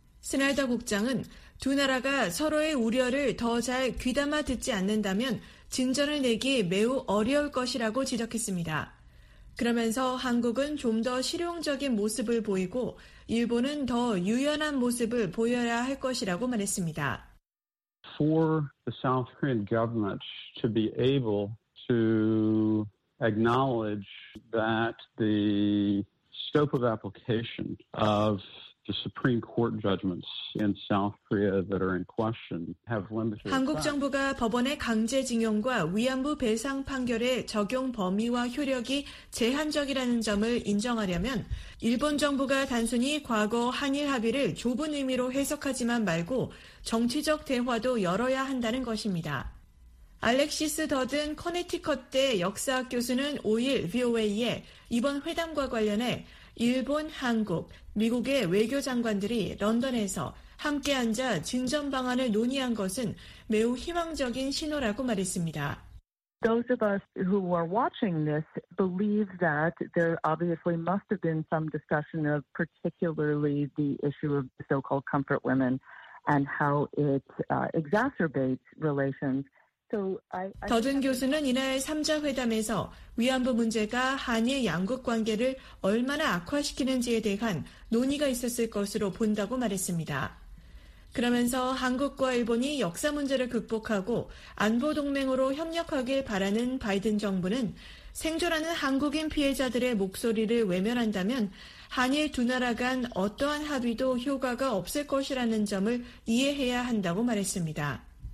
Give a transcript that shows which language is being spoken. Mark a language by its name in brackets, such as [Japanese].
[Korean] 스나이더 국장은 두 나라가 서로의 우려를 더 잘 귀담아 듣지 않는다면 진전을 내기 매우 어려울 것이라고 지적했습니다. 그러면서 한국은 좀 더 실용적인 모습을 보이고 일본은 더 유연한 모습을 보여야 할 것이라고 말했습니다. [English] For the South Korean government to be able to acknowledge that the scope of application of the Supreme Court judgments in South Korea that are in question have limited. [Korean] 한국 정부가 법원의 강제징용과 위안부 배상 판결의 적용 범위와 효력이 제한적이라는 점을 인정하려면 일본 정부가 단순히 과거 한일 합의를 좁은 의미로 해석하지만 말고 정치적 대화도 열어야 한다는 것입니다. 알렉시스 더든 커네티컷대 역사학 교수는 5일 VOA에 이번 회담과 관련해 일본, 한국, 미국의 외교장관들이 런던에서 함께 앉아 진전 방안을 논의한 것은 매우 희망적인 신호라고 말했습니다. [English] Those of us who are watching this believe that there obviously must have been some discussion of particularly the issue of so-called comfort women and how it exacerbates relations. [Korean] 더든 교수는 이날 3자 회담에서 위안부 문제가 한일 양국 관계를 얼마나 악화시키는지에 대한 논의가 있었을 것으로 본다고 말했습니다. 그러면서 한국과 일본이 역사 문제를 극복하고 안보 동맹으로 협력하길 바라는 바이든 정부는 생존하는 한국인 피해자들의 목소리를 외면한다면 한일 두 나라 간 어떠한 합의도 효과가 없을 것이라는 점을 이해해야 한다고 말했습니다.